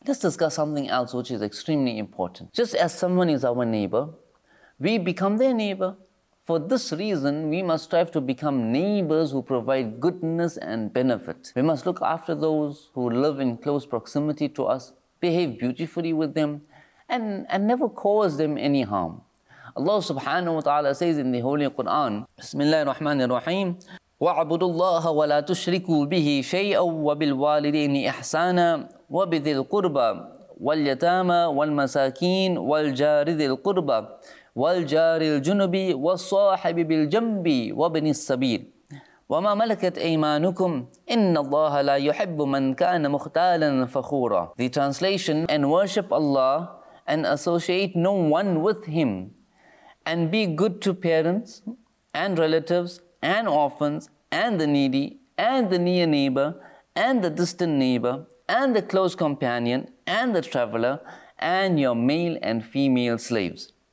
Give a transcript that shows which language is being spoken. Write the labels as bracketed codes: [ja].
[en] Let's discuss something else which is extremely important. Just as someone is our neighbor, we become their neighbor. For this reason, we must strive to become neighbors who provide goodness and benefit. We must look after those who live in close proximity to us, behave beautifully with them, and never cause them any harm. Allah subhanahu wa ta'ala says in the Holy Quran, Bismillah ar-Rahman ar-Rahim, [ar] وَعَبُدُوا اللَّهَ وَلَا تُشْرِكُوا بِهِ شَيْئًا وَبِالْوَالِدِينِ إِحْسَانًا وَبِذِي الْقُرْبَى وَالْيَتَامَى وَالْمَسَاكِينِ وَالْجَارِ ذِي الْقُرْبَى وَالْجَارِ الْجُنُبِ وَالصَّاحِبِ بِالْجَنْبِ وَابْنِ السَّبِيلِ وَمَا مَلَكَتْ أَيْمَانُكُمْ إِنَّ اللَّهَ لَا يُحِبُّ مَنْ كَانَ مُخْتَالًا فَخُورًا. [en] The translation, and worship Allah and associate no one with Him, and be good to parents and relatives and orphans and the needy and the near neighbor and the distant neighbor and the close companion and the traveler and your male and female slaves.